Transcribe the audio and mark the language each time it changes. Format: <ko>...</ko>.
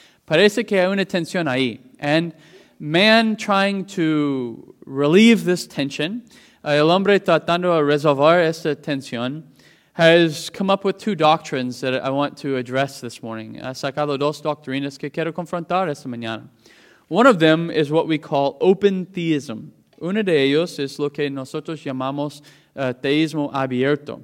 <es>Parece que hay una tensión ahí.</es> <en>And man trying to relieve this tension,</en> <es>el hombre tratando de resolver esta tensión</es> <en>has come up with two doctrines that I want to address this morning.</en> <es>Ha sacado dos doctrinas que quiero confrontar esta mañana.</es> <en>One of them is what we call open theism.</en> <es>Uno de ellos es lo que nosotros llamamos teísmo abierto.</es>